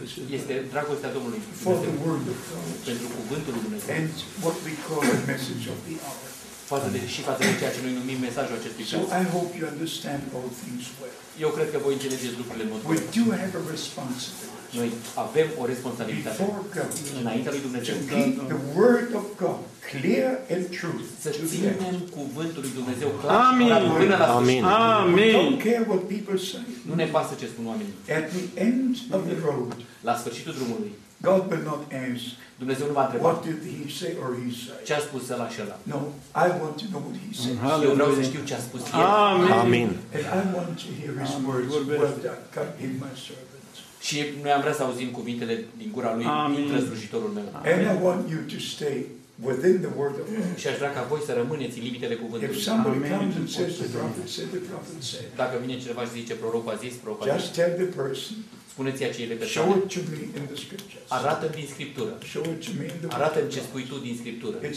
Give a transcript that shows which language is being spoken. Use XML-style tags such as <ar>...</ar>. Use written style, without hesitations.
<ro>Este dragostea Domnului. Pentru cuvântul lui Dumnezeu.</ro> <en>And what we call the message of the hour.</en> <ro>Față de ceea ce noi numim mesajul acestui</ro> <en>ceas. So I hope you understand all things well.</en> <ro>Eu cred că voi înțelegeți lucrurile în mod corect.</ro> <en>We do have a responsibility.</en> <ro>Noi avem o responsabilitate.</ro> <en>Before God,</en> <ro>înaintea lui Dumnezeu.</ro> <en>To keep the word of God clear and true.</en> <ro>Să ținem cuvântul lui Dumnezeu clar. Amin. Până la amin. Amin.</ro> <en>Don't care what people say.</en> <ro>Nu ne pasă ce spun oamenii.</ro> <en>At the end of the road.</en> <ro>La sfârșitul drumului.</ro> <en>God will not ask.</en> <ro>Dumnezeu nu va întreba.</ro> <en>What did he say or he say?</en> <ro>Ce a spus ăla și ăla?</ro> <en>No, I want to know what he said.</en> <ro>Eu vreau să știu ce a spus el. Amin. Amin.</ro> <en>And I want to hear his words. Well done, in my servant.</en> <ro>Și noi am vrea să auzim cuvintele din gura lui, din slujitorul meu.</ro> <en>And I want you to stay within the word of God.</en> <ro>Și aș vrea ca voi să rămâneți în limitele cuvântului.</ro> <en>If somebody comes and says the prophet said, the prophet said.</en> <ro>Dacă vine cineva și zice prorocul a zis, prorocul a</ro> <en>zis. Just tell the person.</en> <ro>Spuneți-i acele persoane. Arată-mi din Scriptură. Arată-mi ce spui tu din Scriptură.</ro>